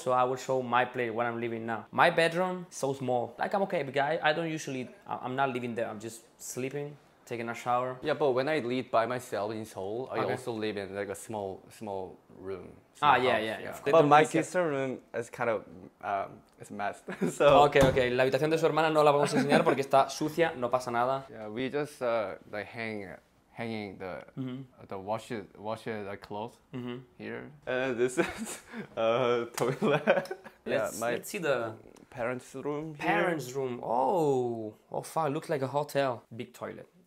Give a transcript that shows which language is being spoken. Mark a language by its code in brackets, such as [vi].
[en] So I will show my place where I'm living now. My bedroom, so small. Like, I'm okay, because I don't usually, I'm not living there. I'm just sleeping. Taking a shower. Yeah, but when I live by myself in Seoul, I also live in like a small room. Yeah. But my sister's room is kind of it's messed. So. Okay. [es] La habitación de su hermana no la vamos a enseñar porque está sucia. No pasa nada. [en] Yeah, we just like hanging the the washer the clothes here. And this is toilet. Let's see the. Parents' room. Parents' here. Room. Oh. Oh, fuck! Looks like a hotel. Big toilet.